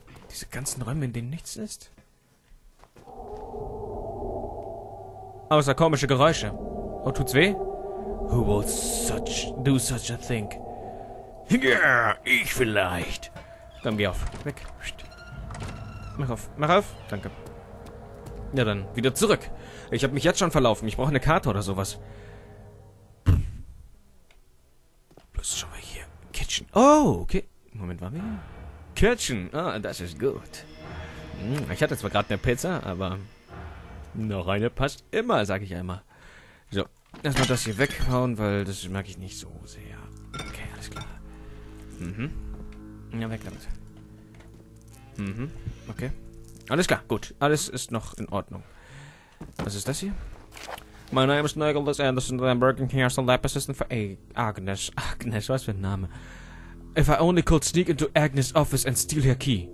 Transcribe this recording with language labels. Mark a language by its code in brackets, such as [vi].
[de] Diese ganzen Räume, in denen nichts ist? Außer komische Geräusche. Oh, tut's weh? [en] Who will such do such a thing? [de] Ja, ich vielleicht. Dann geh auf. Weg. Mach auf. Mach auf. Danke. Ja, dann wieder zurück. Ich habe mich jetzt schon verlaufen. Ich brauche eine Karte oder sowas. Das ist schon mal hier. Kitchen. Oh, okay. Moment, waren wir hier? Kitchen. Ah, oh, das ist gut. Ich hatte zwar gerade eine Pizza, aber... Noch eine passt immer, sage ich einmal. So, erstmal das hier weghauen, weil das merke ich nicht so sehr. Okay, alles klar. Ja, weg damit. Okay. Alles klar, gut. Alles ist noch in Ordnung. Was ist das hier? [en] My name is Nicholas Anderson and I'm working here as a lab assistant for Agnes. [de] Agnes, was für ein Name. [en] If I only could sneak into Agnes' office and steal her key.